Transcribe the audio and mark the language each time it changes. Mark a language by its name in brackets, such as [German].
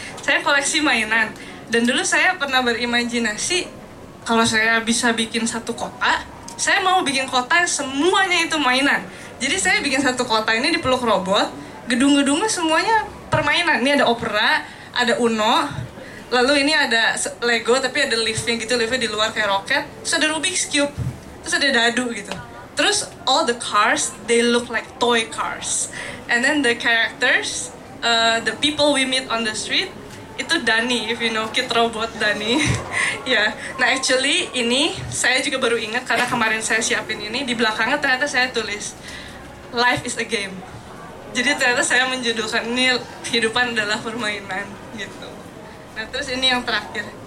[Indonesian] Saya koleksi mainan dan dulu saya pernah berimajinasi kalau saya bisa bikin satu kota, saya mau bikin kota yang semuanya itu mainan. Jadi saya bikin satu kota ini dipeluk robot, gedung-gedungnya semuanya permainan. Ini ada opera, ada Uno, lalu ini ada Lego tapi ada liftnya gitu, liftnya di luar kayak roket. Terus ada Rubik's Cube, terus ada dadu gitu. [English] Terus all the cars they look like toy cars, and then the characters, the people we meet on the street, [Indonesian] itu Dani, [English] if you know Kid Robot Dani. Ya, yeah. [Indonesian] Nah actually ini saya juga baru ingat karena kemarin saya siapin ini di belakangnya ternyata saya tulis [English] life is a game. [Indonesian] Jadi ternyata saya menjudulkan ini kehidupan adalah permainan gitu. Nah terus ini yang terakhir.